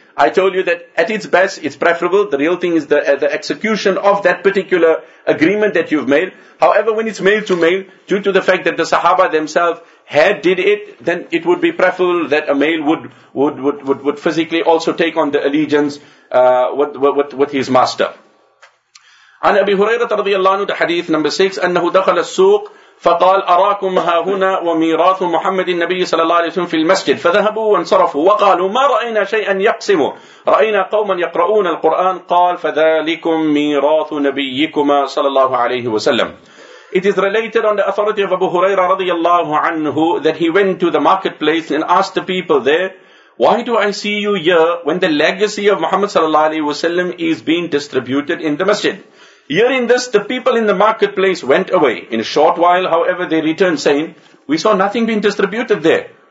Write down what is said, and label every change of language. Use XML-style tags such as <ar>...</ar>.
<en>I told you that at its best, it's preferable. The real thing is the execution of that particular agreement that you've made. However, when it's male to male, due to the fact that the Sahaba themselves had did it, then it would be preferable that a male would physically also take on the allegiance with his master.</en> <ar>An Abi Hurairah radiyallahu anhu,</ar> <en>the hadith number 6,</en> <ar>annahu dakhala as-suq فقال أراكم ها هنا وميراث محمد النبي صلى الله عليه وسلم في المسجد فذهبوا وانصرفوا وقالوا ما رأينا شيئا يقسم رأينا قوما يقرؤون القرآن قال فذلكم ميراث نبيكما صلى الله عليه وسلم.</ar> <en>It is related on the authority of Abu Huraira radiyallahu anhu that he went to the marketplace and asked the people there, why do I see you here when the legacy of Muhammad صلى الله عليه وسلم is being distributed in the masjid? Hearing this, the people in the marketplace went away. In a short while, however, they returned saying, we saw nothing being distributed there.</en>